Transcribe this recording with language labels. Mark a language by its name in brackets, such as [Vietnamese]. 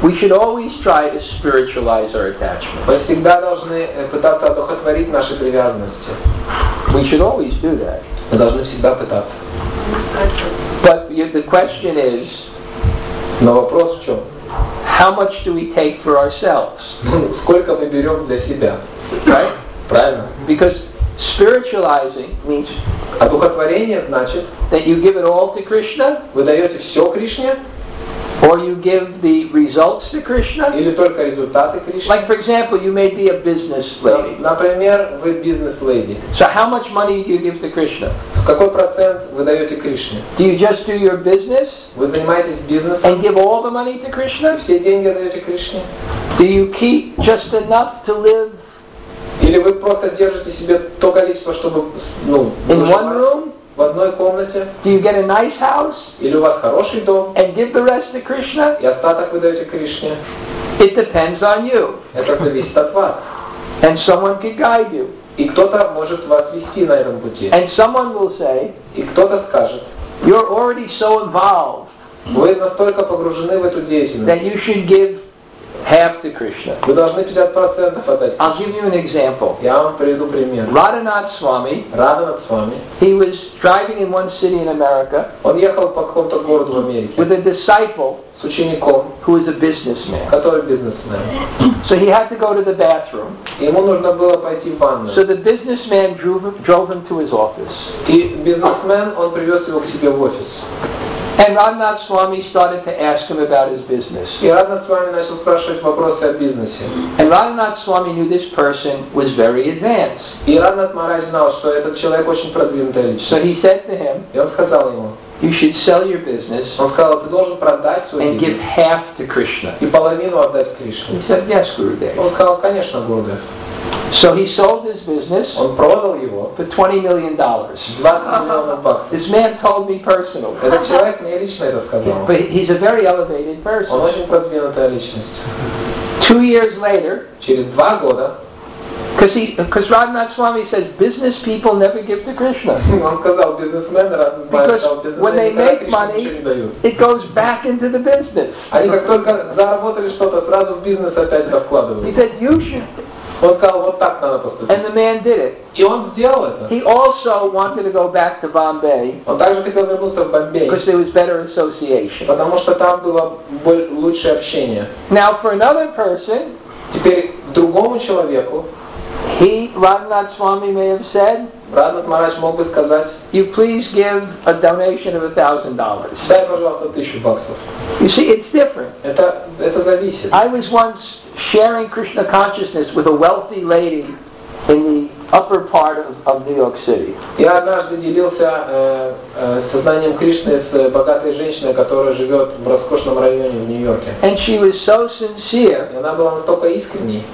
[English] We should always try to spiritualize our attachment. [Russian] Мы всегда должны пытаться одухотворить наши привязанности. [English] We should always do that. [Russian] Мы должны всегда пытаться. [English] But the question is, [Russian] но вопрос в чем? [English] How much do we take for ourselves? [Russian] Сколько мы берем для себя? [English] Right? [Russian] Правильно. [English] Because spiritualizing means [Russian] одухотворение значит [English] that you give it all to Krishna. [Russian] Вы даете все Кришне? [English] Or you give the results to Krishna? [Russian] Или только результаты Кришне? [English] Like for example, you may be a business lady. [Russian] Например, вы [English] business lady. So how much money do you give to Krishna? [Russian] Какой процент вы даете Кришне? [English] Do you just do your business? [Russian] Вы занимаетесь бизнесом? [English] And give all the money to Krishna? [Russian] И все деньги даете Кришне? [English] Do you keep just enough to live? [Russian] Или вы просто держите себе то количество, чтобы, ну, [English] in one room? [Russian] В одной комнате? [English] Do you get a nice house? [Russian] Или у вас хороший дом? [English] And give the rest to Krishna? [Russian] И остаток вы даете Кришне? [English] It depends on you. [Russian] Это зависит от вас. [English] And someone can guide you. [Russian] И кто-то может вас вести на этом пути. [English] And someone will say, [Russian] и кто-то скажет, [English] you're already so involved, [Russian] вы настолько погружены в эту деятельность, [English] that you should give half to Krishna. [Russian] Вы должны 50% отдать. [English] I'll give you an example. [Russian] Я вам приведу пример. [English] Radhanath Swami, he was driving in one city in America, [Russian] он ехал по какому-то городу в Америке, [English] with a disciple, [Russian] с учеником, [English] who is a businessman. [Russian] Который бизнесмен. [English] So he had to go to the bathroom. [Russian] Ему нужно было пойти в ванную. [English] So the businessman drove him to his office. [Russian] И бизнесмен, он привез его к себе в офис. [English] And Radhanath Swami started to ask him about his business. [Russian] И Радханат Свами начал спрашивать вопросы о бизнесе. [English] And Radhanath Swami knew this person was very advanced. [Russian] И Радханат Марай знал, что этот человек очень продвинутый личность. [English] So he said to him, [Russian] и он сказал ему, [English] you should sell your business. [Russian] Он сказал, ты должен продать свой [English] and [Russian] бизнес. [English] Give half to Krishna. [Russian] И половину отдать Кришне. [English] He said, yes, Gurudev. [Russian] Он сказал, конечно, Гурудев. [English] So he sold his business. [Russian] Он продал его [English] for $20 million. [Russian] 20 миллионов баксов. [English] This man told me personally. [Russian] Этот человек мне лично это сказал. [English] But he's a very elevated person. [Russian] Он очень продвинутая личность. [English] 2 years later. [Russian] Через 2 года. [English] Because Radhanath Swami says business people never give to Krishna. [Russian] Он сказал, бизнесмены Радханат Марай сказал, бизнесмены [English] when they make money, it goes back into the business. [Russian] Они как только заработали что-то, сразу в бизнес опять это вкладывают. [English] He said you should. [Russian] Он сказал, вот так надо поступить. [English] And the man did it. [Russian] И он сделал это. [English] He also wanted to go back to Bombay. [Russian] Он также хотел вернуться в Бомбей. [English] Because there was better association. [Russian] Потому что там было лучшее общение. [English] Now for another person. [Russian] Теперь другому человеку. [English] He, Radhanath Swami may have said, [Russian] Радханат Марай мог бы сказать, [English] you please give a donation of $1,000. [Russian] Дай, пожалуйста, 1,000 баксов. [English] You see, it's different. [Russian] Это зависит. [English] I was once sharing Krishna consciousness with a wealthy lady in the upper part of New York City. [Russian] Я однажды делился сознанием Кришны с богатой женщиной, которая живет в роскошном районе в Нью-Йорке. [English] And she was so sincere. [Russian] И она была настолько искренней.